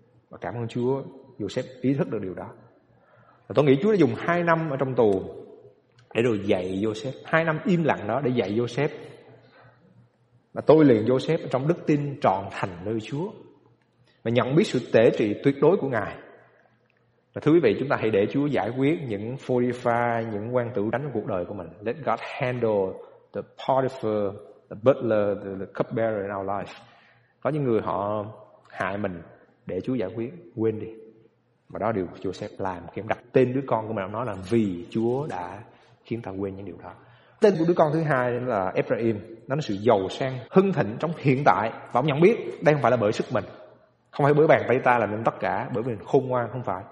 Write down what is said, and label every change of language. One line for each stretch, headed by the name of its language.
Vietnamese: Và cảm ơn Chúa, Joseph ý thức được điều đó. Và tôi nghĩ Chúa đã dùng 2 năm ở trong tù để rồi dạy Joseph, 2 năm im lặng đó để dạy Joseph, và tôi luyện Joseph trong đức tin trọn thành nơi Chúa, và nhận biết sự tể trị tuyệt đối của Ngài. Và thưa quý vị, chúng ta hãy để Chúa giải quyết những Phô-ti-phai, những quan tử đánh cuộc đời của mình.
English: Let God handle the Potiphar, the butler, the cupbearer in our life.
Vietnamese: Có những người họ hại mình, để Chúa giải quyết, quên đi. Mà đó điều Joseph làm khi ông đặt tên đứa con của mình, ông nói là vì Chúa đã khiến ta quên những điều đó. Tên của đứa con thứ hai là Ephraim, nó là sự giàu sang hưng thịnh trong hiện tại. Và ông nhận biết đây không phải là bởi sức mình, không phải bởi bàn tay ta làm nên tất cả, bởi mình khôn ngoan, không phải.